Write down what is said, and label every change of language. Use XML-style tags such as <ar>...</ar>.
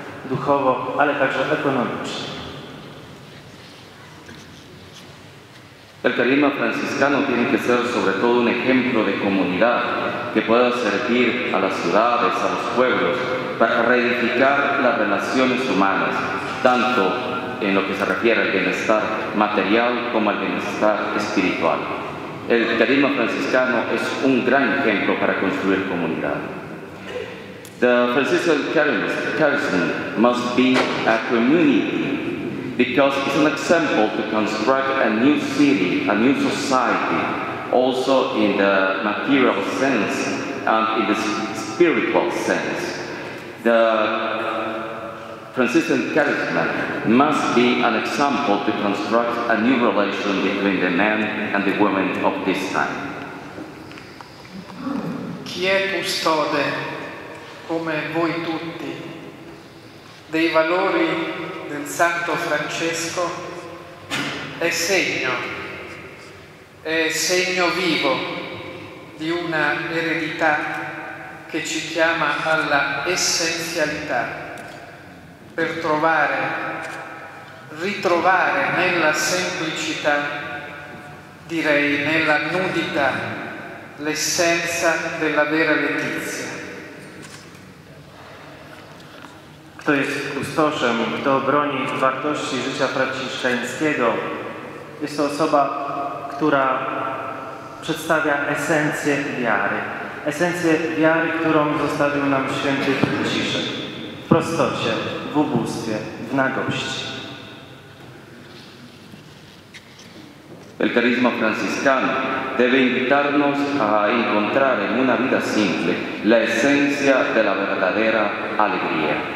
<pl>Duchowo, ale także ekonomicznie.</pl> <es>El carisma franciscano tiene que ser sobre todo un ejemplo de comunidad que pueda servir a las ciudades, a los pueblos, para reedificar las relaciones humanas, tanto en lo que se refiere al bienestar material como al bienestar espiritual. El carisma franciscano es un gran ejemplo para construir comunidad.</es> <en>The Franciscan charism must be a community, because it's an example to construct a new city, a new society, also in the material sense and in the spiritual sense. The Franciscan charisma must be an example to construct a new relation between the men and the women of this time.</en> <it>Chi è custode, come voi tutti, dei valori del Santo Francesco è segno vivo di una eredità che ci chiama alla essenzialità per trovare, ritrovare nella semplicità, direi nella nudità, l'essenza della vera letizia.</it> <pl>Kto jest kustoszem, kto broni wartości życia franciszkańskiego, jest to osoba, która przedstawia esencję wiary. Esencję wiary, którą zostawił nam święty Franciszek. W prostocie, w ubóstwie, w nagości.</pl> <es>El carisma franciscano debe invitarnos a encontrar en una vida simple la esencia de la verdadera alegría.</es>